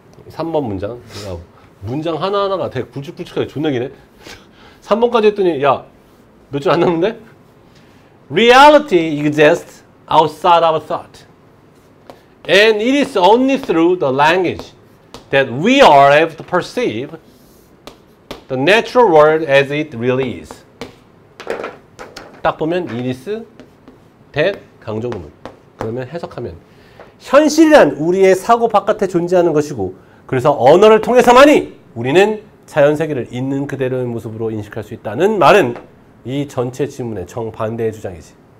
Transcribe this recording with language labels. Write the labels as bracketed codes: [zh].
[ko] 3번 문장. 야, 문장 하나하나가 되게 굵직굵직하게 존나기네. 3번까지 했더니 야 몇 줄 안 남는데? [en] Reality exists outside our thought. And it is only through the language that we are able to perceive the natural world as it really is. [ko] 딱 보면 [en] it is that [ko] 강조구문. 그러면 해석하면 현실이란 우리의 사고 바깥에 존재하는 것이고 그래서 언어를 통해서만이 우리는 자연세계를 있는 그대로의 모습으로 인식할 수 있다는 말은 이 전체 질문의 정반대의 주장이지.